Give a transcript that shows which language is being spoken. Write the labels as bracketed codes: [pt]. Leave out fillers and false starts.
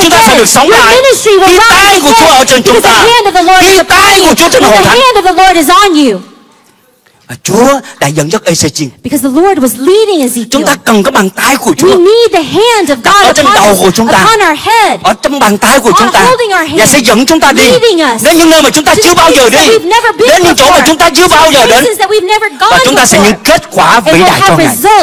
[vi] Chúng ta sẽ được sống lại. Khi tay của Chúa ở trên chúng ta. Khi tay của Chúa trên hội thánh. [en] The hand of the Lord is on you. [vi] Chúa đã dẫn dắt Ê-xê-chi. [en] Because the Lord was leading Ezekiel. [vi] Chúng ta cần cái bàn tay của Chúa. [en] We need the hand of God [vi] ở trên đầu của chúng ta. [en] Upon our head. [vi] Ở trong bàn tay của chúng ta. [en] Holding our hand. [vi] Và sẽ dẫn chúng ta đi. [en] Leading us. [vi] Đến những nơi mà chúng ta chưa bao giờ đi. Đến những chỗ mà chúng ta chưa bao giờ đến. Và chúng ta sẽ những kết quả vĩ đại cho Ngài.